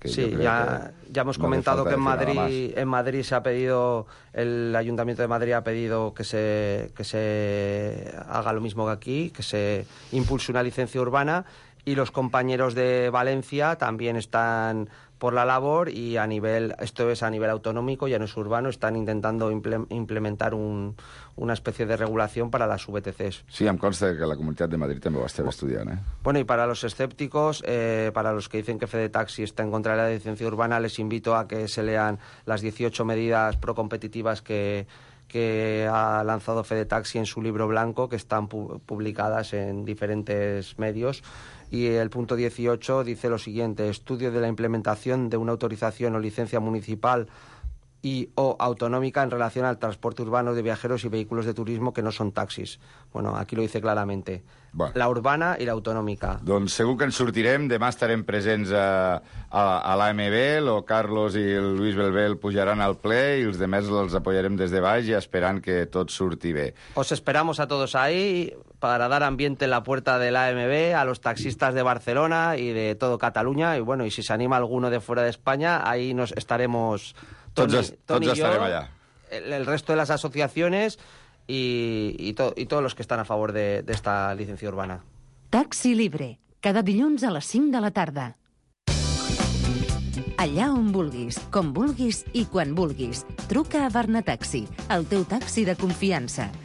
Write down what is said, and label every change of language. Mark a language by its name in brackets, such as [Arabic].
[Spanish] sí, ya hemos comentado que en Madrid se ha pedido, el Ayuntamiento de Madrid ha pedido que se haga lo mismo que aquí, que se impulse una licencia urbana. Y los compañeros de Valencia también están por la labor y a nivel autonómico, ya no es urbano, están intentando implementar una especie de regulación para las VTCs. [Catalan] Sí, em consta que la Comunitat de Madrid també va estar estudiant, ¿eh? [Spanish] Bueno, y para los escépticos, para los que dicen que FedeTaxi está en contra de la licencia urbana, les invito a que se lean las 18 medidas procompetitivas que que ha lanzado Fede Taxi en su libro blanco, que están publicadas en diferentes medios. Y el punto 18 dice lo siguiente: estudio de la implementación de una autorización o licencia municipal y o autonómica en relación al transporte urbano de viajeros y vehículos de turismo que no son taxis. Bueno, aquí lo dice claramente. [Catalan] Bueno, la urbana i l'autonòmica. Doncs segur que en sortirem. Demà estarem presents a l'AMB. El Carlos i el Luis Belbel pujaran al ple i els demés els apoyarem des de baix i esperant que tot surti bé. [Spanish] Os esperamos a todos ahí para dar ambiente en la puerta de l'AMB a los taxistas de Barcelona y de todo Cataluña. Y bueno, y si se anima alguno de fuera de España, ahí nos estaremos... [Catalan] Tots estarem allà. [Spanish] El resto de las asociaciones... [Catalan] I tots els que estan a favor d'esta llicència urbana. Taxi Libre, cada dilluns a les 5 de la tarda. Allà on vulguis, com vulguis i quan vulguis. Truca a Barna Taxi, el teu taxi de confiança.